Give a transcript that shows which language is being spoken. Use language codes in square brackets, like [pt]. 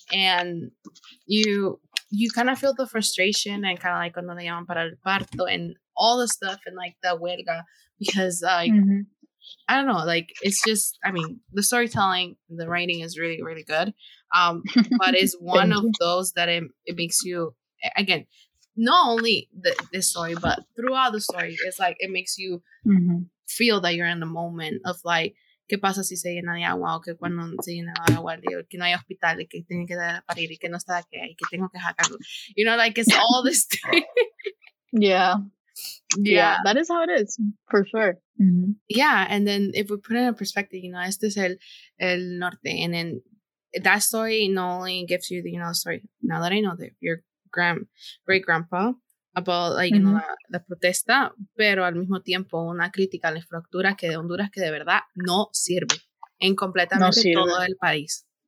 [en] And you kind of feel the frustration and kind of like [es] cuando le llaman para el parto [en] and all the stuff and like the huelga, because I don't know, like, it's just, I mean, the storytelling, the writing is really, really good, but it's one of those that it makes you, again, not only this story, but throughout the story, it's like it makes you feel that you're in the moment of like, [es] ¿qué pasa si se llena de agua? ¿O que cuando se llena de agua? ¿O que no hay hospital? ¿Y que tiene que dar a parir? ¿Y que no está aquí? ¿Y que tengo que sacarlo? [en] You know, like, it's all this thing. Yeah, that is how it is, for sure. Mm-hmm. Yeah, and then if we put it in perspective, you know, [es] este es el norte, [en] and then that story not only gives you the, you know, story, now that I know that your great-grandpa, about, like, you know, [es] la protesta, pero al mismo tiempo una crítica a la estructura que de Honduras que de verdad no sirve en completamente todo el país.